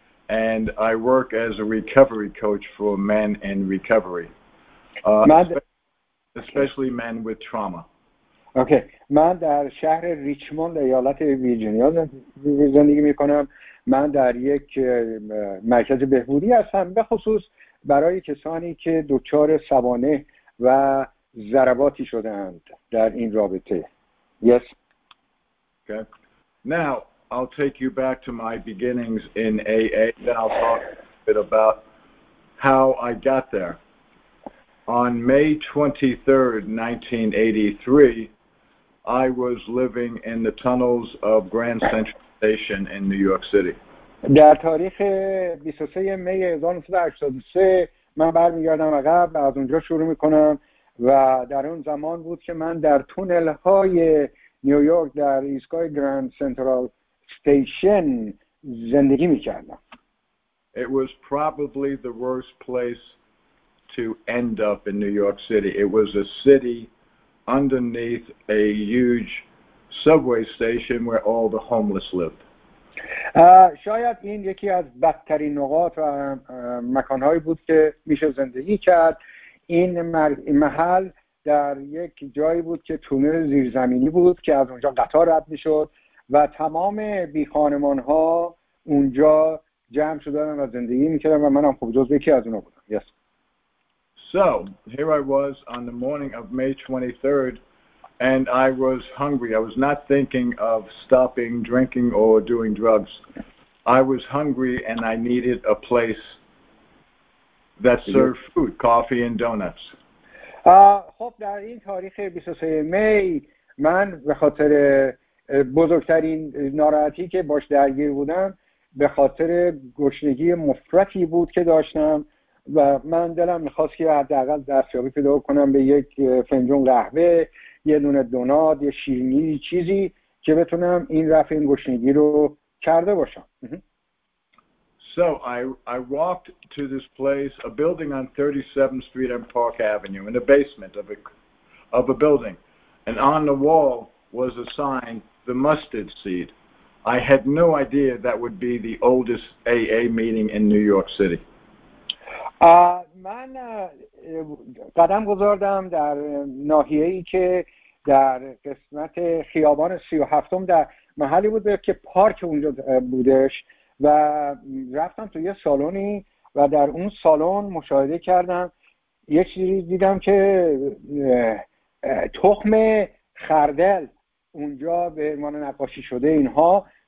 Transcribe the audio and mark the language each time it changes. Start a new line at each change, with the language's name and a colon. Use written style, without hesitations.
English: And I work as a recovery coach for men in recovery, especially men with trauma. Okay.
Persian: من در شهر ریچموند ایالت ویرجینیا زندگی میکنم. من در یک مرکز بهبودی هستم، به خصوص برای کسانی که دچار سوانه و ضرباتی شدند در این رابطه.
English: Yes. Okay. Now I'll take you back to my beginnings in AA, then I'll talk a bit about how I got there. On May 23rd, 1983, I was living in the tunnels of Grand Central Station in New York City.
Persian: در تاریخ 23 می 1983 من برمیگردم عقب، از اونجا شروع میکنم و در اون زمان بود که من در تونل های نیویورک در ایستگاه گراند سنترال استیشن زندگی میکردم.
English: It was probably the worst place to end up in New York City. It was a city underneath a huge subway station where all the homeless lived.
Persian: شاید این یکی از بدترین نقاط و مکانهایی بود که میشه زندگی کرد. این محل در یک جایی بود که تونل زیرزمینی بود که از اونجا قطار رد میشد و تمام بی خانمان ها اونجا جمع شدن و زندگی میکردن و من هم خوب جزو یکی از اونا بودم.
English: Yes. So, here I was on the morning of May 23rd and I was hungry. I was not thinking of stopping drinking or doing drugs. I was hungry and I needed a place that served food, coffee and donuts.
Persian: خب در این تاریخ 23 می من به خاطر بزرگترین ناراحتی که باش درگیر بودم به خاطر گشنگی مفرطی بود که داشتم و من دلم میخواست که حداقل دستیابی پیدا کنم به یک فنجون قهوه، یه دونه دونات، یه شیرینی، چیزی که بتونم این رفع این گشنگی رو کرده باشم.
English: So I walked to this place, a building on 37th Street and Park Avenue, in the basement of a building. And on the wall was a sign, the mustard seed. I had no idea that would be the oldest AA meeting in New York City.
Persian: من قدم گذاردم در ناحیه‌ای که در قسمت خیابان 37 در محلی بود که پارک اونجا بودش و رفتم تو یه سالونی و در اون سالون مشاهده کردم، یه چیزی دیدم که تخم خردل اونجا به عنوان نقاشی شده اینها